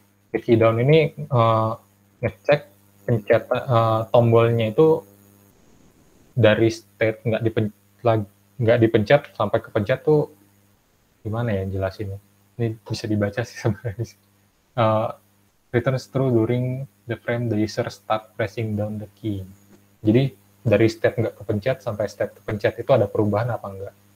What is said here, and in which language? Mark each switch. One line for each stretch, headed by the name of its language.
Indonesian: Get key down ini ngecek pencet tombolnya itu dari state enggak dipencet sampai kepencet tuh gimana ya jelasinnya? Ini bisa dibaca sih sebenarnya.
English: Returns true during the frame the user start pressing down the key.
Indonesian: Jadi dari state nggak kepencet sampai state kepencet itu ada perubahan apa enggak.